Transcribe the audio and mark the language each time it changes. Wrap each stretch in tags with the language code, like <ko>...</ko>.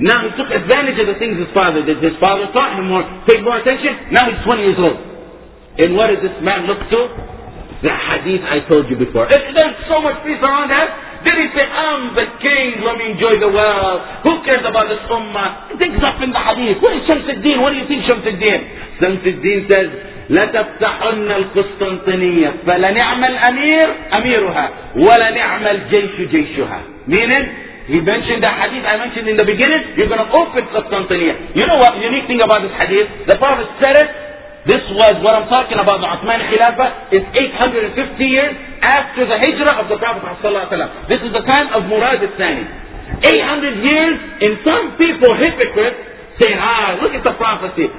<en>Now he took advantage of the things his father did. His father taught him more, paid more attention. Now he's 20 years old. And what does this man look to? The hadith I told you before. If there's so much peace around us, did he say, I'm the king, let me enjoy the wealth. Who cares about this ummah? He thinks up in the hadith. What is Shamsuddin? What do you think Shamsuddin? Shamsuddin says,</en> <ar>لَتَفْتَحُنَّ الْقُسْطَنْطِنِيَّةِ فَلَنِعْمَ الْأَمِيرُ أَمِيرُهَا وَلَنِعْمَ الْجَيْشُ جَيْشُهَا.</ar> <en>Meaning, he mentioned the hadith I mentioned in the beginning, you're going to open Constantinople. You know what unique thing about this hadith? The Prophet said it, this was what I'm talking about, the Uthman Khilafah, is 850 years after the Hijrah of the Prophet ﷺ. This is the time of Murad al-Thani. 800 years, and some people, hypocrites, say, ah, look at the prophecy.</en>